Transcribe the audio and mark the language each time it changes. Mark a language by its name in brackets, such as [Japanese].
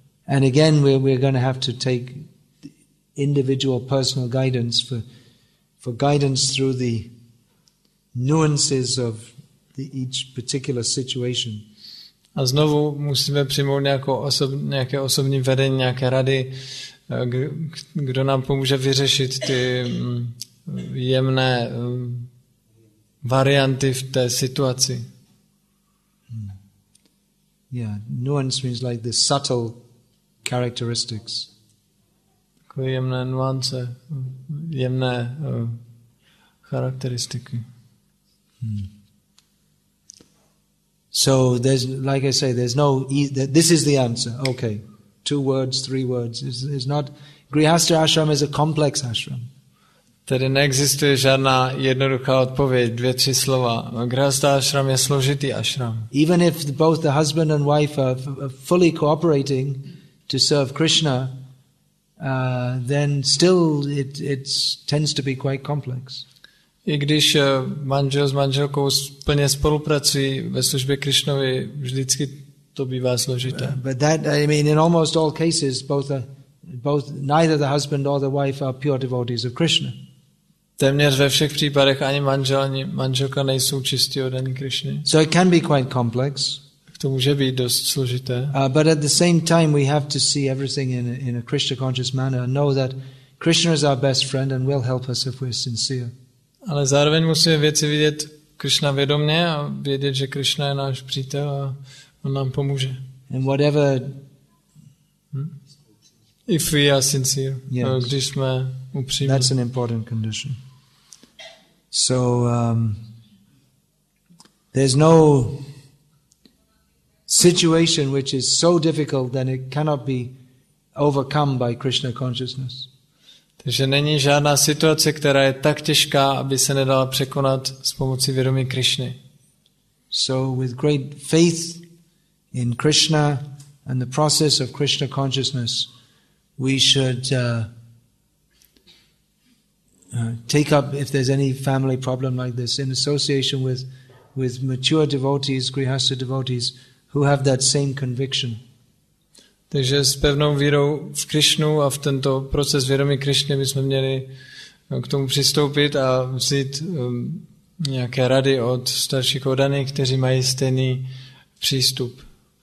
[English] And again we're going to have to take individual personal guidance for guidance through the nuances of each particular situation. [Czech] A znovu musíme přijmout nějaké osobní vedení, nějaké rady, kdo nám pomůže vyřešit ty jemné varianty v té situaci. [English] Yeah, nuance means like the subtle characteristics. [Czech] Takové jemné nuance, jemné charakteristiky. [English] So there's, like I say, there's no, this is the answer. Okay, two words, three words. It's not, Grihastha ashram is a complex ashram. [Czech] Tedy neexistuje žádná jednoduchá odpověď, dvě, tři slova. Grihastha ashram je složitý ashram. [English] Even if both the husband and wife are fully cooperating to serve Krishna, then still it tends to be quite complex. [Czech] I když manžel s manželkou plně spolupracují ve službě Krišnovi, vždycky to bývá složité. [English] But that, I mean, in almost all cases, both neither the husband or the wife are pure devotees of Krishna. [Czech] Téměř ve všech případech ani manžel, ani manželka nejsou čistí oddaní Krišně. [English] So it can be quite complex. [Czech] To může být dost složité. [English] But at the same time, we have to see everything in a Krishna conscious manner and know that Krishna is our best friend and will help us if we're sincere. [Czech] Ale zároveň musíme věci vidět Krishna vědomně a vědět, že Krishna je náš přítel a on nám pomůže. [English] And whatever, if we are sincere, yes. [Czech] Když jsme upřímní. [English] That's an important condition. So there's no situation which is so difficult that it cannot be overcome by Krishna consciousness. [Czech] Takže není žádná situace, která je tak těžká, aby se nedala překonat s pomocí vědomí Krišny. [English] So with great faith in Krishna and the process of Krishna consciousness, we should take up, if there's any family problem like this, in association with mature devotees, grihastha devotees, who have that same conviction. [Czech] Takže s pevnou vírou v Krišnu a v tento proces vědomí Krišny bychom měli k tomu přistoupit a vzít nějaké rady od starších oddaných, kteří mají stejný přístup.